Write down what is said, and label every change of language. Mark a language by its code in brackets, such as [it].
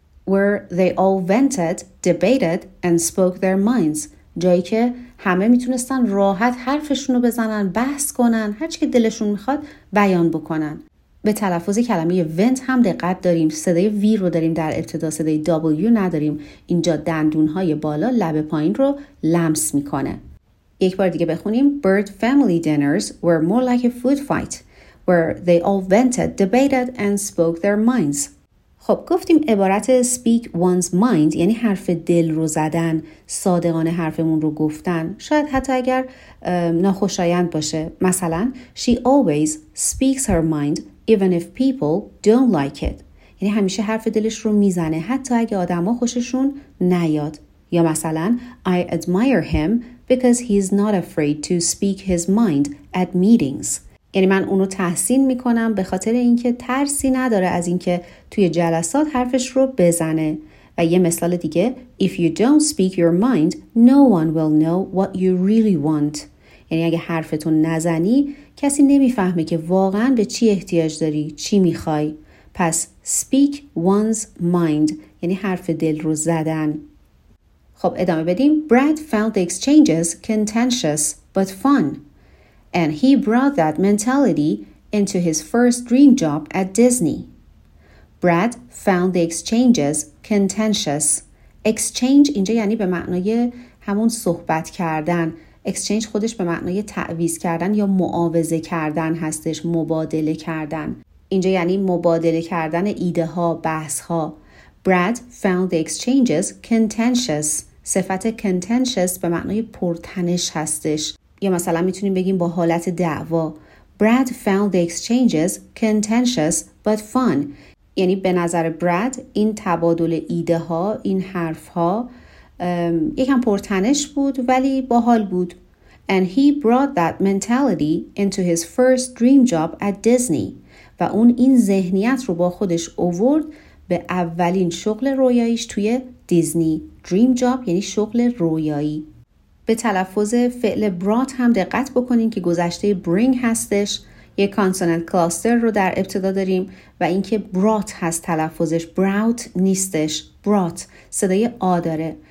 [en] Where they all vented, debated and spoke their minds. [fa] جایی که همه میتونستن راحت حرفشون رو بزنن، بحث کنن، هرچی که دلشون میخواد بیان بکنن. به تلفظ کلمه vent هم دقت داریم صدای V رو داریم در ابتدا صدای W نداریم اینجا دندون‌های بالا لب پایین رو لمس می‌کنه یک بار دیگه بخونیم [en] bird family dinners were more like a food fight where they all vented debated and spoke their minds [fa] خب گفتیم عبارت [en] speak one's mind [fa] یعنی حرف دل رو زدن صادقانه حرفمون رو گفتن شاید حتی اگر ناخوشایند باشه مثلا [en] she always speaks her mind even if people don't like it [fa] یعنی همیشه حرف دلش رو میزنه حتی اگه آدما خوششون نیاد یا مثلا [en] I admire him because he's not afraid to speak his mind at meetings [fa] یعنی من اونو تحسین میکنم به خاطر اینکه ترسی نداره از اینکه توی جلسات حرفش رو بزنه و یه مثال دیگه [en] if you don't speak your mind no one will know what you really want [fa] یعنی اگه حرفتو نزنی کسی نمیفهمه که واقعا به چی احتیاج داری چی میخوای پس [en] speak one's mind [fa] یعنی حرف دل رو زدن خب ادامه بدیم [en] Brad found the exchanges contentious but fun and he brought that mentality into his first dream job at Disney Brad found the exchanges contentious. [fa] Exchange اینجا یعنی به معنای همون صحبت کردن. Exchange خودش به معنای تعویض کردن یا معاوضه کردن هستش، مبادله کردن. اینجا یعنی مبادله کردن ایده ها، بحث ها. [en] Brad found the exchanges contentious. [fa] صفت contentious به معنای پرتنش هستش. یا مثلا میتونیم بگیم با حالت دعوا. [en] Brad found the exchanges contentious but fun. [fa] یعنی به نظر براد این تبادل ایده ها، این حرف ها یکم پرتنش بود ولی باحال بود. [en] And he brought that mentality into his first dream job at Disney. [fa] و اون این ذهنیت رو با خودش آورد به اولین شغل رویاییش توی دیزنی. Dream job یعنی شغل رویایی. به تلفظ فعل brought هم دقت بکنین که گذشته bring هستش. یه consonant cluster رو در ابتدا داریم و اینکه brought هست تلفظش، brought نیستش، brought صدای آ داره.